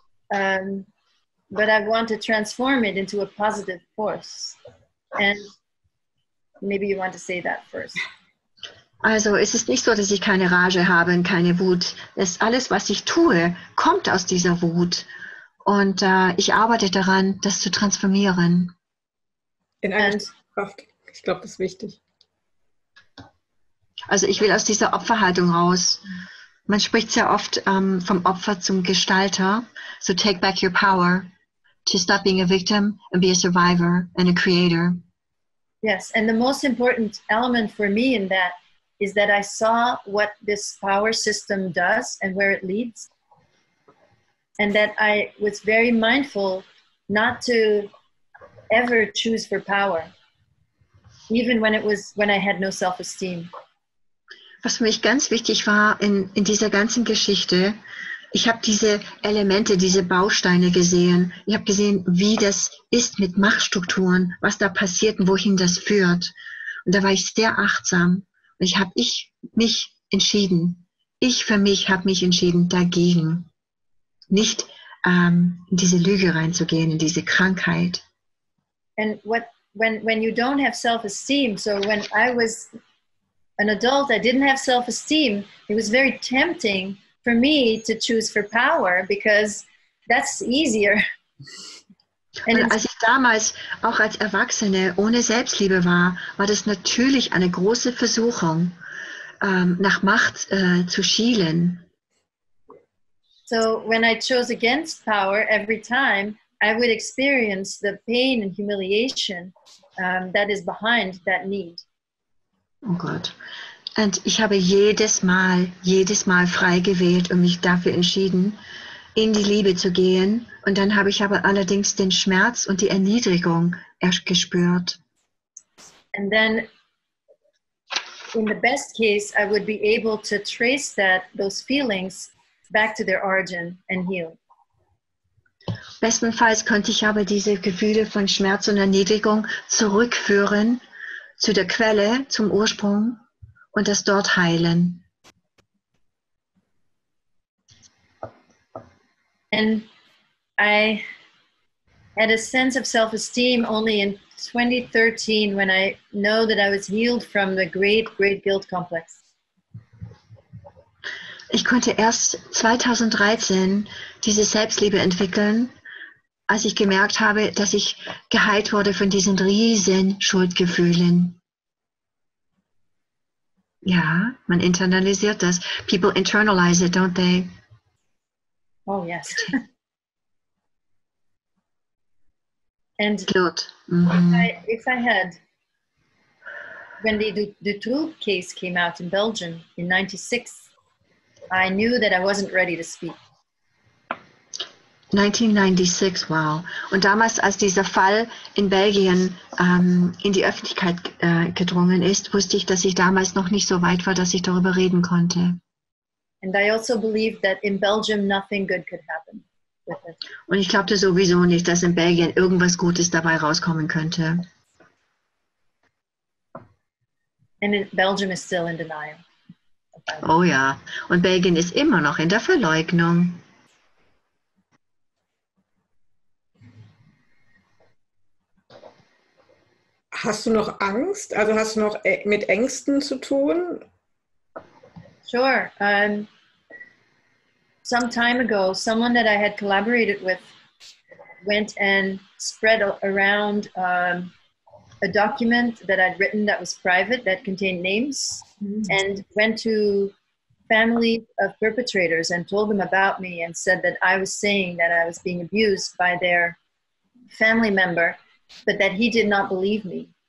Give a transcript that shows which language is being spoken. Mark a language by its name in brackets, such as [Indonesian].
[English] But I want to transform it into a positive force. And maybe you want to say that first. [German] Also, es ist nicht so, dass ich keine Rage habe und keine Wut. Es, alles, was ich tue, kommt aus dieser Wut. Und ich arbeite daran, das zu transformieren. In eine Kraft. Ich glaube, das ist wichtig. Also, ich will aus dieser Opferhaltung raus. Man spricht sehr oft vom Opfer zum Gestalter. [English] So take back your power to stop being a victim and be a survivor and a creator. Yes, and the most important element for me in that is that I saw what this power system does and where it leads. And that I was very mindful not to ever choose for power, even when I had no self-esteem. [German] Was für mich ganz wichtig war in dieser ganzen Geschichte, ich habe diese Elemente, diese Bausteine gesehen. Ich habe gesehen, wie das ist mit Machtstrukturen, was da passiert und wohin das führt. Und da war ich sehr achtsam. Und ich habe mich entschieden. Ich für mich habe mich entschieden, dagegen nicht in diese Lüge reinzugehen, in diese Krankheit. [English] And what when you don't have self-esteem, so when I was an adult, I didn't have self-esteem, it was very tempting for me to choose for power because that's easier. [German] Und als ich damals auch als Erwachsene ohne Selbstliebe war, war das natürlich eine große Versuchung, nach Macht zu schielen. [English] So when I chose against power every time, I would experience the pain and humiliation that is behind that need. [German] Oh Gott. Und ich habe jedes Mal frei gewählt und mich dafür entschieden, in die Liebe zu gehen. Und dann habe ich aber allerdings den Schmerz und die Erniedrigung erst gespürt. [English] And then, in the best case, I would be able to trace those feelings back to their origin and heal. [German] Bestenfalls könnte ich aber diese Gefühle von Schmerz und Erniedrigung zurückführen zu der Quelle, zum Ursprung und das dort heilen. [English] And I had a sense of self-esteem only in 2013 when I know that I was healed from the great, great guilt complex. [German] Ich konnte erst 2013 diese Selbstliebe entwickeln, als ich gemerkt habe, dass ich geheilt wurde von diesen riesen Schuldgefühlen. Ja, man internalisiert das. [English] People internalize it, don't they? Oh, yes. And Guilt. If I had, when the Dutroux case came out in Belgium in 96, I knew that I wasn't ready to speak. 1996, wow. [German] Und damals, als dieser Fall in Belgien in die Öffentlichkeit gedrungen ist, wusste ich, dass ich damals noch nicht so weit war, dass ich darüber reden konnte. [English] And I also believed that in Belgium nothing good could happen with it. [German] Und ich glaubte sowieso nicht, dass in Belgien irgendwas Gutes dabei rauskommen könnte. [English] And Belgium is still in denial. [German] Oh ja, und Belgien ist immer noch in der Verleugnung. Hast du noch Angst? Also hast du noch mit Ängsten zu tun? [English] Sure. Some time ago, someone that I had collaborated with went and spread around a document that I'd written that was private, that contained names, mm-hmm. and went to family of perpetrators and told them about me and said that I was saying that I was being abused by their family member, but that he did not believe me.